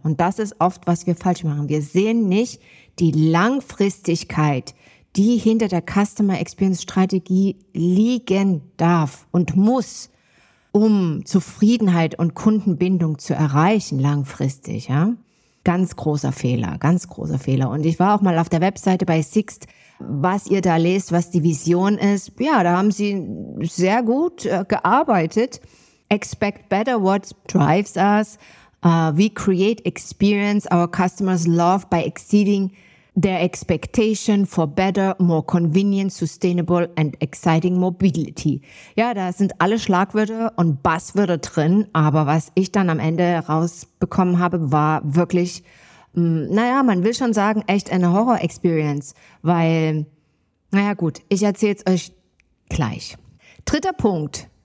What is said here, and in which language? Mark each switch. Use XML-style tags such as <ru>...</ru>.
<de>Und das ist oft, was wir falsch machen. Wir sehen nicht die Langfristigkeit, die hinter der Customer Experience Strategie liegen darf und muss, um Zufriedenheit und Kundenbindung zu erreichen langfristig. Ja? Ganz großer Fehler, ganz großer Fehler. Und ich war auch mal auf der Webseite bei Sixt, was ihr da lest, was die Vision ist. Ja, da haben sie sehr gut gearbeitet.</de> <en>Expect better what drives us. We create experience our customers love by exceeding their expectation for better, more convenient, sustainable and exciting mobility.</en> <de>Ja, da sind alle Schlagwörter und Buzzwörter drin. Aber was ich dann am Ende rausbekommen habe, war wirklich, man will schon sagen, echt eine Horror-Experience. Weil, ich erzähle es euch gleich. Dritter Punkt.</de>